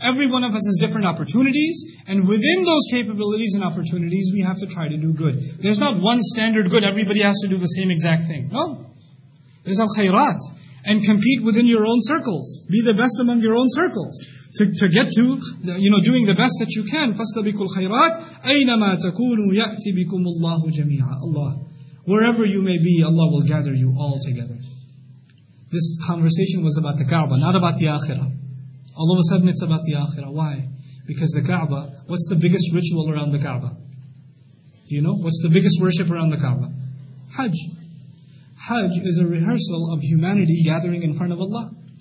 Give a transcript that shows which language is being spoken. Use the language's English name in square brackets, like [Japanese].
[English] Every one of us has different opportunities. And within those capabilities and opportunities, we have to try to do good. There's not one standard good. Everybody has to do the same exact thing. No. There's al-khayrat. And compete within your own circles. Be the best among your own circles. To get to, you know, doing the best that you can. [Arabic] فَاسْتَبِكُوا الْخَيْرَاتِ أَيْنَمَا تَكُونُوا يَأْتِ بِكُمُ اللَّهُ جَمِيعًا Allah. [English] Wherever you may be, Allah will gather you all together. This conversation was about the Kaaba, not about the Akhirah. All of a sudden it's about the Akhirah. Why? Because the Kaaba, what's the biggest ritual around the Kaaba? Do you know? What's the biggest worship around the Kaaba? Hajj. Hajj is a rehearsal of humanity gathering in front of Allah.